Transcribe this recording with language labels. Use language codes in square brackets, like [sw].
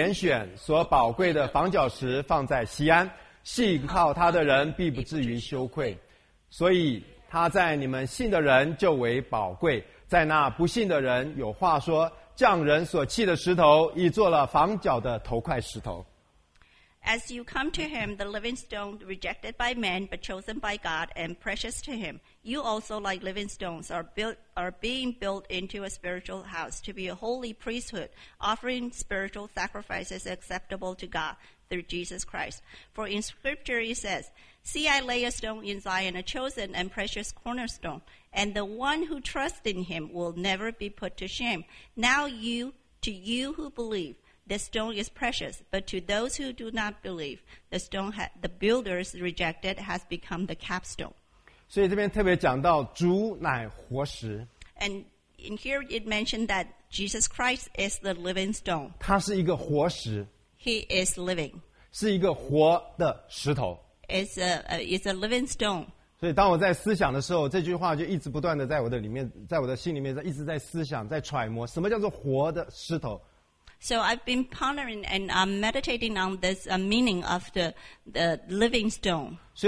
[zh] 好，我们大家一同来念哈，第四节到第七节，很短的一段四节经文。主乃活石，固然是被人所弃的，却是被神所拣选、所宝贵的。你们来到主面前，也就像活石，被建造成为灵宫，做圣洁的祭司，借着耶稣基督奉献神所悦纳的灵祭。因为经上说：“看哪，我把所拣选、所宝贵的房角石放在锡安。” 信靠他的人必不至于羞愧，所以他在你们信的人就为宝贵，在那不信的人有话说：匠人所弃的石头已做了房角的头块石头。As [en] you come to him, the living stone rejected by men, but chosen by God and precious to him, you also, like living stones, are being built into a spiritual house to be a holy priesthood, offering spiritual sacrifices acceptable to God through Jesus Christ. For in Scripture it says, See, I lay a stone in Zion, a chosen and precious cornerstone, and the one who trusts in him will never be put to shame. Now to you who believe, the stone is precious, but to those who do not believe, the stone the builders rejected has become the capstone. [zh] 所以这边特别讲到主乃活石。 [en] And in here it mentioned that Jesus Christ is the living stone. [zh] 他是一个活石。 [en] He is living. [zh] 是一个活的石头。 [en] It's a living stone. [zh] 所以当我在思想的时候，这句话就一直不断的在我的里面，在我的心里面，一直在思想，在揣摩什么叫做活的石头。 [en] So I've been pondering and meditating on this meaning of the living stone.